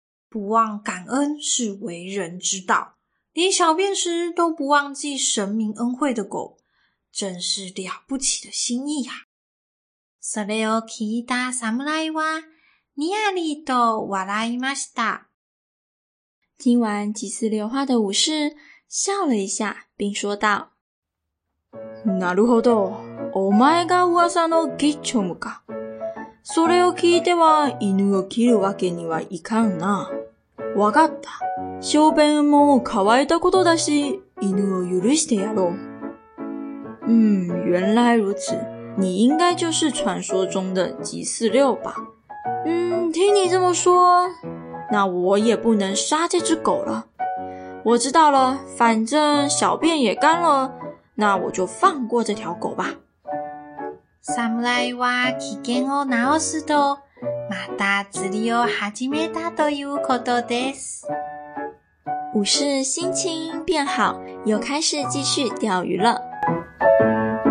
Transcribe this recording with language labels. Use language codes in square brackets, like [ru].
[zh] 不忘感恩是为人之道。连小便时都不忘记神明恩惠的狗。真是了不起的心意啊。 [ja] それを聞いた侍は、にやりと笑いました。 [zh] 听完几次流话的武士笑了一下并说道。 [ja] なるほど。お前が噂のギチョムか。それを聞いては犬を切るわけにはいかんな。わかった。小便も乾いたことだし、犬を許してやろう。 [zh] 原来如此。你应该就是传说中的吉四六吧。听你这么说。那我也不能杀这只狗了。我知道了，反正小便也干了，那我就放过这条狗吧。 [ja] 侍は機嫌を直すと、また釣りを始めたということです。 [zh] 武士心情变好，又开始继续钓鱼了。